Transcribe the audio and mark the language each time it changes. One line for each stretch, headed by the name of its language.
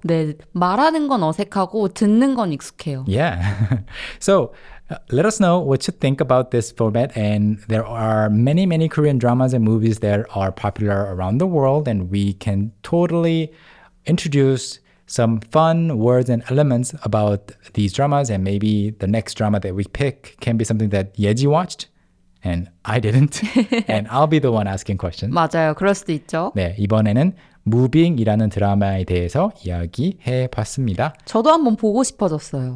Korean: 네, 말하는 건 어색하고 듣는 건 익숙해요.
English: Yeah. So, let us know what you think about this format. And there are many, many Korean dramas and movies that are popular around the world. And we can totally introduce some fun words and elements about these dramas. And maybe the next drama that we pick can be something that Yeji watched. And I didn't. And I'll be the one asking questions.
Korean: 맞아요. 그럴 수도 있죠. 네, 이번에는 무빙이라는 드라마에 대해서 이야기해 봤습니다. 저도 한번 보고 싶어졌어요.